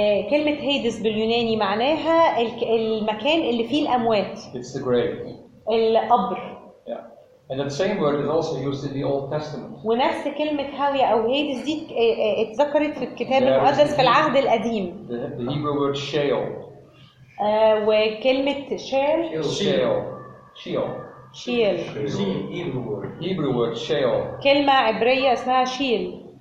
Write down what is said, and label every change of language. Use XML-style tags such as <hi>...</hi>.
<ar>كلمة هادس باليوناني معناها المكان اللي فيه الأموات.</ar> <en>It's the grave.</en> <ar>القبر.</ar> <en>Yeah. And that same word is also used in the Old Testament.</en> <ar>ونفس كلمة هاوية أو هيدس دي اتذكرت في الكتاب المقدس في العهد القديم.</ar> <en>The Hebrew word Sheol.</en> <ar>وكلمة Sheol.</ar> <en>Sheol. Sheol. Sheol. Hebrew word. Hebrew word Sheol.</en> <ar>كلمة عبرية اسمها Sheol.</ar>